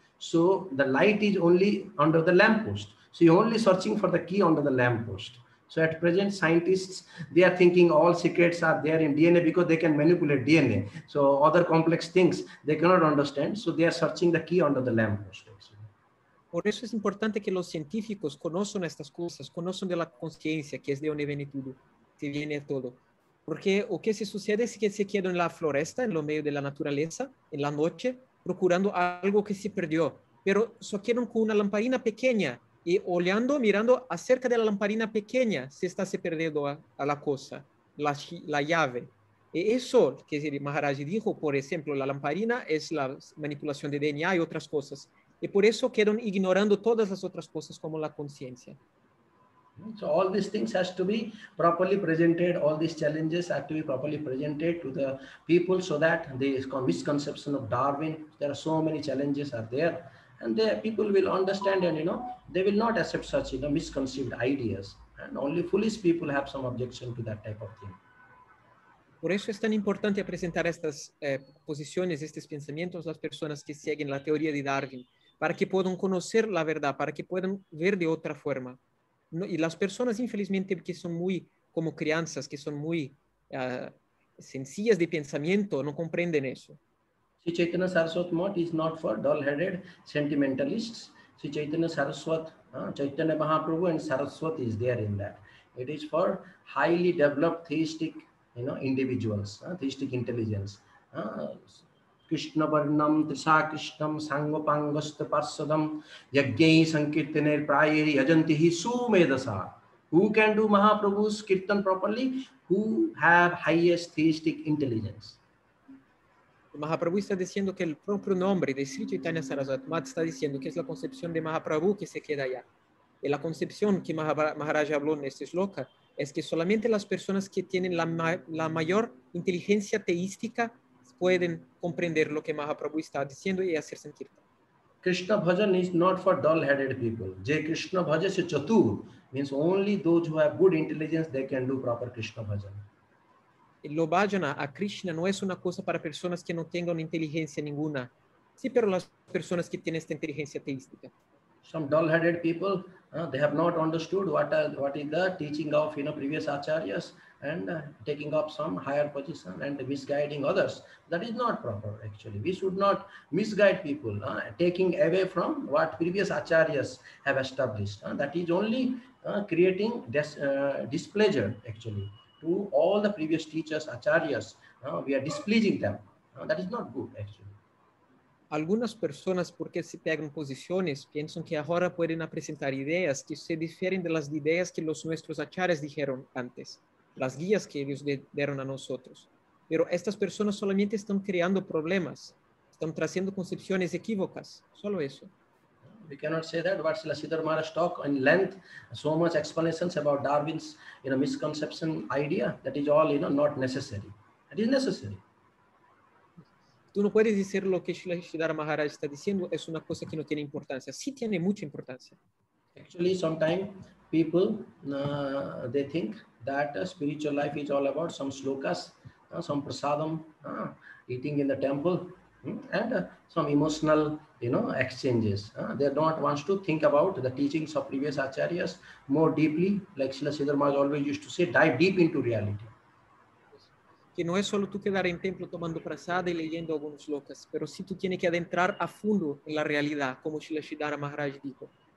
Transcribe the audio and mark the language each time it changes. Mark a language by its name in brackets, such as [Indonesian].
[English] So the light is only under the lamppost. So you're only searching for the key under the lamppost. So at present, scientists, they are thinking all secrets are there in DNA because they can manipulate DNA. So other complex things, they cannot understand. So they are searching the key under the lamppost. [Spanish] Por eso es importante que los científicos conozcan estas cosas, conozcan de la conciencia, que es de donde viene todo, que viene todo. Porque lo que se sucede es que se queda en la floresta, en lo medio de la naturaleza, en la noche, procurando algo que se perdió. Pero solo quedan con una lamparina pequeña, y olhando, mirando acerca de la lamparina pequeña, se está perdiendo a la cosa, la llave. Y eso que Maharaj dijo, por ejemplo, la lamparina es la manipulación de DNA y otras cosas. Y por eso quedan ignorando todas las otras cosas como la conciencia. [English] So all these things has to be properly presented, all these challenges have to be properly presented to the people so that this misconception of Darwin, there are so many challenges are there. And the people will understand and, they will not accept such, misconceived ideas. And only foolish people have some objection to that type of thing. [Spanish] Por eso es tan importante presentar estas posiciones, estos pensamientos a las personas que siguen la teoría de Darwin, para que puedan conocer la verdad, para que puedan ver de otra forma. No, y las personas, infelizmente, que son muy como crianzas, que son muy sencillas de pensamiento, no comprenden eso. [English] Sri Chaitanya Saraswat Math is not for dull-headed sentimentalists. Sri Chaitanya Saraswat, Chaitanya Mahaprabhu and Saraswat is there in that. It is for highly developed theistic, individuals, theistic intelligence. [Sanskrit] Krishna Varnam, Trisakrishnam, Sangopangasta Parsadam, Yajnai Sankirtaner Prayeri, Ajantihi Sumedasa. [English] Who can do Mahaprabhu's Kirtan properly? Who have highest theistic intelligence? [Spanish] Mahaprabhu está diciendo que el propio nombre de Sri Chaitanya Saraswat Math está diciendo que es la concepción de Mahaprabhu que se queda allá. Y la concepción que Maharaj habló en este shloka es que solamente las personas que tienen la mayor inteligencia teística pueden comprender lo que Mahaprabhu está diciendo y hacer sentir. [English] Krishna bhajan is not for dull-headed people. [Bangla] Je Krishna bhajan se chatur [English] means only those who have good intelligence, they can do proper Krishna bhajan. [Spanish] Lo bhajana a Krishna no es una cosa para personas que no tengan inteligencia ninguna. Sí, pero las personas que tienen esta inteligencia teística. [English] Some dull-headed people, they have not understood what is the teaching of, you know, previous acharyas and taking up some higher position and misguiding others. That is not proper, actually. We should not misguide people, taking away from what previous acharyas have established. That is only creating displeasure, actually, to all the previous teachers, acharyas. We are displeasing them. That is not good, actually. [Spanish] Algunas personas, porque se pegan posiciones, piensan que ahora pueden presentar ideas que se difieren de las ideas que los nuestros acharyas dijeron antes, las guías que ellos dieron a nosotros. Pero estas personas solamente están creando problemas, están trayendo concepciones equívocas, solo eso. [English] We cannot say that, but Srila Sridhar Maharaj talk in length, so much explanations about Darwin's, you know, misconception idea, that is all, you know, not necessary. It is necessary. [Spanish] Tú no puedes decir lo que Srila Sridhar Maharaj está diciendo es una cosa que no tiene importancia. Sí tiene mucha importancia. [English] Actually, sometimes people they think that spiritual life is all about some slokas, some prasadam, eating in the temple, and some emotional, you know, exchanges. They don't want to think about the teachings of previous acharyas more deeply, like Srila Sridhar Maharaj always used to say, dive deep into reality. [Spanish] Que no es solo tú quedar en templo tomando prasada y leyendo algunos locas, pero sí tú tienes que adentrar a fondo en la realidad, como Srila Sridhara Maharaj dijo.